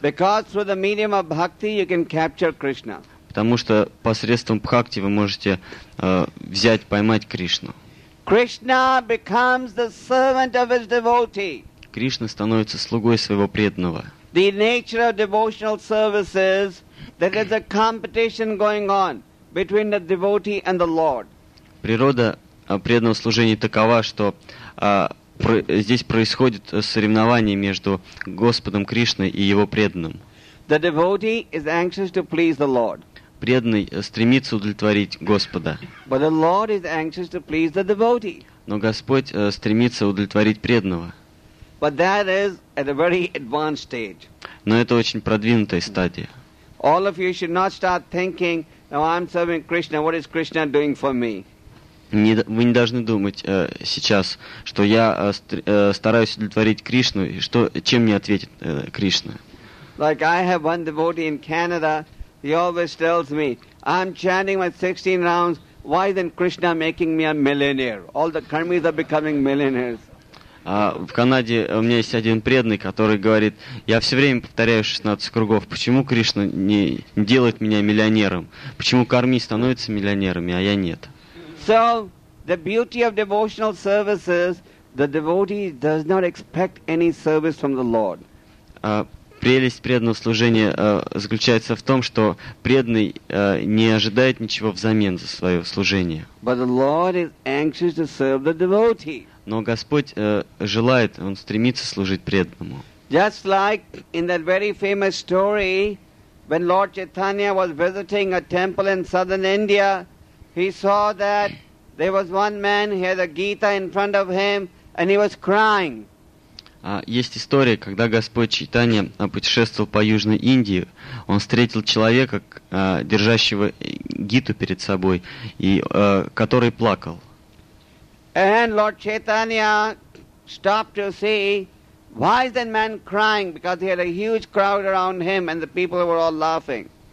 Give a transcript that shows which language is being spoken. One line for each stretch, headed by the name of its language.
English: Because through the medium of bhakti you can capture Krishna.
Russian: Потому что посредством бхакти вы можете взять, поймать Кришну.
English: Krishna becomes the servant of his devotee.
Russian: Кришна становится слугой своего преданного.
English: The nature of devotional service is that there's a competition going on between the devotee and the Lord.
Russian: Природа преданного служения такова, что здесь происходит соревнование между Господом Кришной и его преданным.
English: The devotee is anxious to please the Lord.
Russian: Преданный стремится удовлетворить Господа.
English: But the Lord is anxious to please the devotee.
Russian: Но Господь стремится удовлетворить преданного.
English: But that is at a very advanced stage.
Russian: Но это очень продвинутая стадия.
English: All of you should not start thinking, "Now I'm serving Krishna. What is Krishna doing for me?"
Russian: Вы не должны думать сейчас, что я стараюсь удовлетворить Кришну, и что чем мне ответит Кришна?
English: Like I have one devotee in Canada, he always tells me, "I'm chanting my 16 rounds. Why then Krishna making me a millionaire? All the karmis are becoming millionaires."
Russian: В Канаде у меня есть один преданный, который говорит, я все время повторяю 16 кругов, почему Кришна не делает меня миллионером? Почему карми становятся миллионерами, а я нет?
English: So, the beauty of devotional service is the devotee does not expect any service from the Lord.
Russian: Прелесть преданного служения заключается в том, что преданный не ожидает ничего взамен за свое служение.
English: But the Lord is anxious to serve the devotee.
Russian: Но Господь желает, Он стремится служить преданному.
English: Just like in that very famous story, when Lord Chaitanya was visiting a temple in southern India, he saw that there was one man, he had a Gita in front of him, and he was crying.
Russian: Есть история, когда Господь Чайтанья путешествовал по Южной Индии, он встретил человека, держащего Гиту перед собой, и который плакал.
English: And Lord Chaitanya stopped to see, why is that man crying? Because he had a huge crowd around him and the people were all laughing.